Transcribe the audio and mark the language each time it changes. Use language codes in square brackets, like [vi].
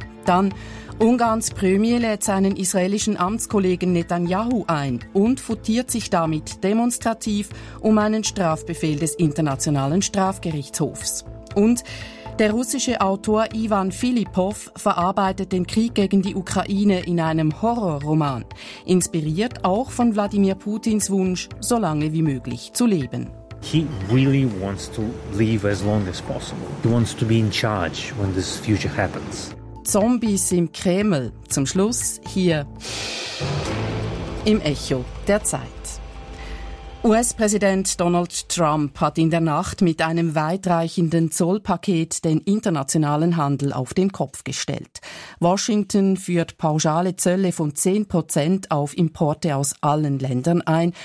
[de] Dann Ungarns Premier lädt seinen israelischen Amtskollegen Netanyahu ein und futtiert sich damit demonstrativ um einen Strafbefehl des Internationalen Strafgerichtshofs. Und der russische Autor Ivan Filipov verarbeitet den Krieg gegen die Ukraine in einem Horrorroman, inspiriert auch von Wladimir Putins Wunsch, so lange wie möglich zu leben. [en] He really wants to live as long as possible. He wants to be in charge when this future happens. [de] Zombies im Kreml. Zum Schluss hier im Echo der Zeit. US-Präsident Donald Trump hat in der Nacht mit einem weitreichenden Zollpaket den internationalen Handel auf den Kopf gestellt. Washington führt pauschale Zölle von 10% auf Importe aus allen Ländern ein.